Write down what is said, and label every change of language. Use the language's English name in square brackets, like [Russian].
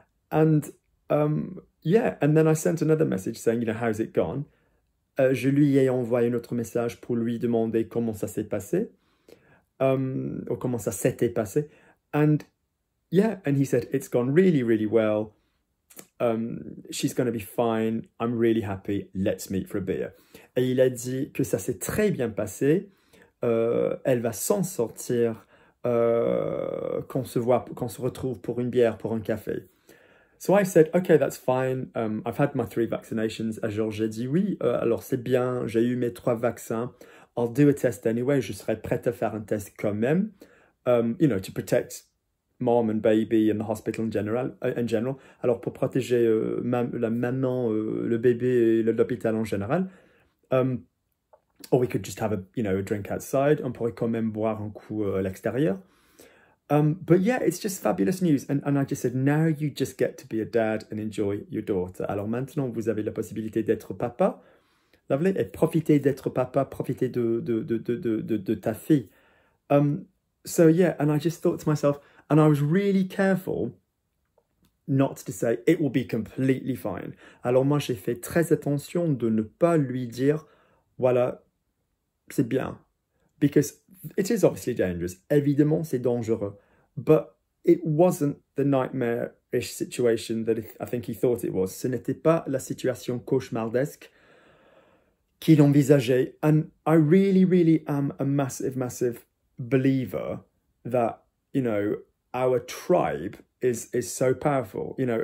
[English] And yeah, and then I sent another message saying, you know, how's it gone? [French] Je lui ai envoyé un autre message pour lui demander comment ça s'est passé. Ou comment ça s'était passé. [English] And yeah, and he said, it's gone really, really well. She's going to be fine. I'm really happy. Let's meet for a beer. [French] Et il a dit que ça s'est très bien passé. Elle va s'en sortir qu'on se retrouve pour une bière, pour un café. [English] So I said, okay, that's fine. I've had my 3 vaccinations. [French] Et Georges a dit, oui, alors c'est bien. J'ai eu mes 3 vaccins. [English] I'll do a test anyway. [French] Je serai prête à faire un test quand même. [English] You know, to protect mom and baby and the hospital in general. [French] Alors pour protéger la maman, le bébé et l'hôpital en général. [English] Or we could just have a drink outside. [French] On pourrait quand même boire un coup à l'extérieur. [English] But yeah, it's just fabulous news. And I just said, now you just get to be a dad and enjoy your daughter. [French] Alors maintenant, vous avez la possibilité d'être papa. Lovely. Et profiter d'être papa, profiter de ta fille. [English] So yeah, and I just thought to myself, and I was really careful not to say, it will be completely fine. [French] Alors moi, j'ai fait très attention de ne pas lui dire, voilà, c'est bien. [English] Because it is obviously dangerous. [French] Évidemment, c'est dangereux. [English] But it wasn't the nightmare-ish situation that I think he thought it was. [French] Ce n'était pas la situation cauchemardesque qu'il envisageait. [English] And I really, really am a massive, massive believer that, you know, our tribe is so powerful.